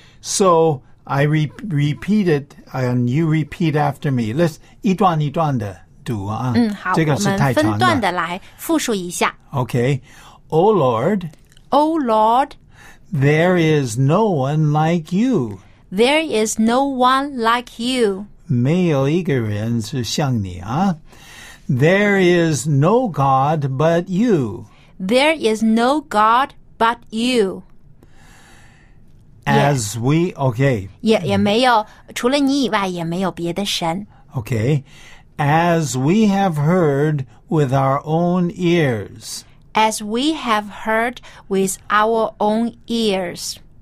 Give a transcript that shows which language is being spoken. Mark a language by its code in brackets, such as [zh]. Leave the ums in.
[en] So, I re repeat it and you repeat after me. [zh] Let's 一段一段的读啊。嗯，好，这个是太长的。分段的来复述一下。 [en] Okay, O oh Lord, O oh Lord, there is no one like you. There is no one like you. [zh] 没有一个人是像你啊。 [en] There is no God but you. There is no God but you as we okay. Yeah, mm -hmm. [zh] 也没有,除了你以外, okay. [en] As we have heard with our own ears. As we have heard with our own ears.